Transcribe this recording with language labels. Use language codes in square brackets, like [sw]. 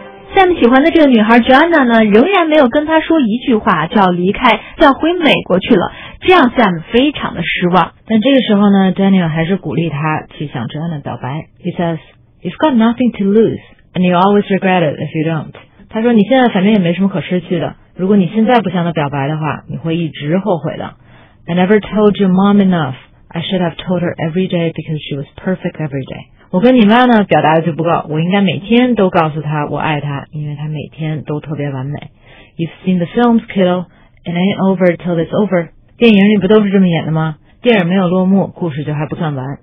[zh] Sam 喜欢的这个女孩 Joanna 呢，仍然没有跟她说一句话，就要离开，就要回美国去了。这样 Sam 非常的失望。但这个时候呢 ，Daniel 还是鼓励她去向 Joanna 表白。 [en] He says, "You've got nothing to lose, and you always regret it if you don't." [zh] 他说你现在反正也没什么可失去的，如果你现在不向她表白的话，你会一直后悔的。 [en] I never told your mom enough. I should have told her every day because she was perfect every day. [zh] 我跟你妈呢表达的就不够，我应该每天都告诉她我爱她，因为她每天都特别完美。 [en] You've seen the films, kiddo. It ain't over till it's over. [zh] 电影里不都是这么演的吗？电影没有落幕，故事就还不算完。